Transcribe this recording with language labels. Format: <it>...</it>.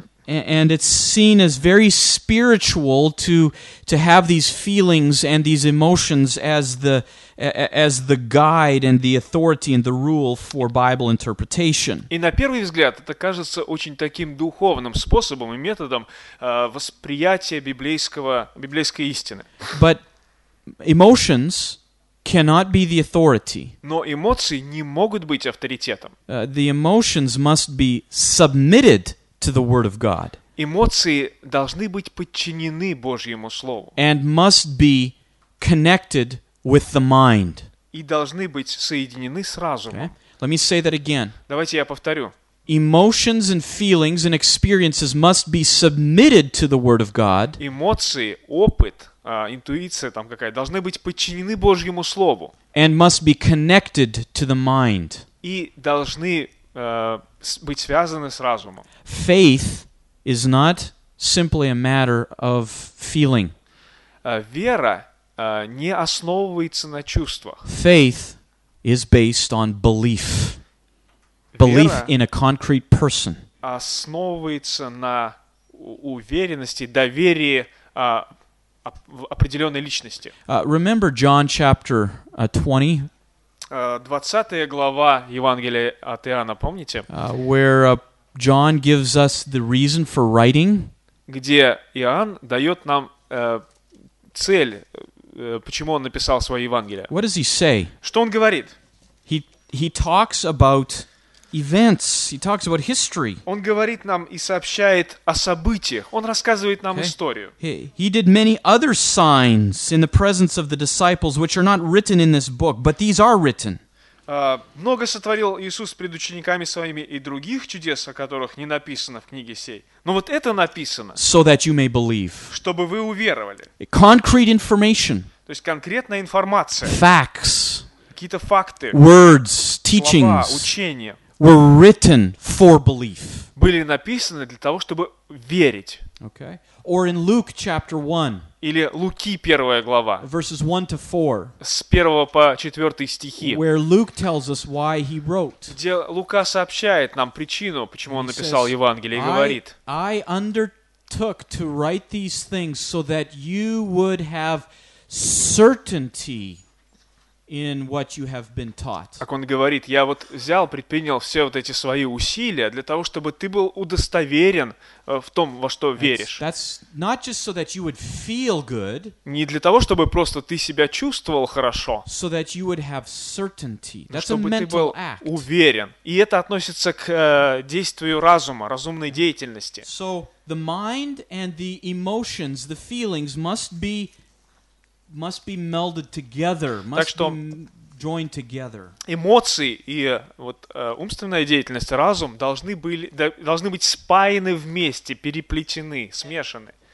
<en>Okay, and it's seen as very spiritual to have these feelings and these emotions as the guide and the authority and the rule for Bible interpretation.</en> <ru>И на первый взгляд это кажется очень таким духовным способом и методом восприятия библейской истины.</ru> <en>But emotions cannot be the authority.</en> <ru>Но эмоции не могут быть авторитетом.</ru> <en>The emotions must be submitted to the word of God.</en> <ru>Эмоции должны быть подчинены Божьему слову.</ru> <en>And must be connected with the mind.</en> <ru>И должны быть соединены с разумом.</ru> <en>Okay? Let me say that again.</en> <ru>Давайте я повторю.</ru> <en>Emotions and feelings and experiences must be submitted to the Word of God.</en> <ru>Эмоции, опыт, интуиция там какая, должны быть подчинены Божьему Слову.</ru> <en>And must be connected to the mind.</en> <ru>И должны быть связаны с разумом.</ru> <en>Faith is not simply a matter of feeling.</en> <ru>Вера не основывается на чувствах.</ru> <en>Faith is based on belief. Belief in a concrete person.</en> <ru>Основывается на уверенности, доверии в определенной личности.</ru> <en>Remember John chapter 20?</en> <ru>20 глава Евангелия от Иоанна, помните?</ru> <en>Where John gives us the reason for writing.</en> <ru>Где Иоанн дает нам цель, почему он написал свое Евангелие.</ru> <en>What does he say?</en> <ru>Что он говорит?</ru> <en>He talks about events. He talks about history.</en> <ru>Он говорит нам и сообщает о событиях. Он рассказывает нам историю.</ru> <en>He did many other signs in the presence of the disciples, which are not written in this book, but these are written.</en> <ru>Много сотворил Иисус пред учениками своими и других чудес, о которых не написано в книге сей. Но вот это написано.</ru> <en>So that you may believe.</en> <ru>Чтобы вы уверовали.</ru> <en>Concrete information.</en> <ru>То есть конкретная информация.</ru> <en>Facts.</en> <ru>Какие-то факты.</ru> <en>Words, teachings.</en> <ru>Слова, учения.</ru> <en>Were written for belief.</en> <ru>Были написаны для того, чтобы верить.</ru> <en>Okay. Or in Luke chapter 1.</en> <ru>Или Луки первая глава.</ru> <en>Verses 1 to 4.</en> <ru>С 1 по 4 стихи.</ru> <en>Where Luke tells us why he wrote.</en> <ru>Где Лука сообщает нам причину, почему он написал Евангелие, и говорит:</ru> <en>I undertook to write these things so that you would have certainty in what you have been taught.</en> <ru>Как он говорит, я вот взял, предпринял все вот эти свои усилия для того, чтобы ты был удостоверен в том, во что веришь.</ru> <en>That's not just so that you would feel good.</en> <ru>Не для того, чтобы просто ты себя чувствовал хорошо.</ru> <en>So that you would have certainty. That's a mental act.</en> <ru>Чтобы ты был уверен. И это относится к действию разума, разумной деятельности.</ru> <en>So the mind and the emotions, the feelings must be melded together, must be joined together.</en> <ru>Эмоции и вот умственная деятельность, разум должны быть спаяны вместе, переплетены, смешаны.</ru>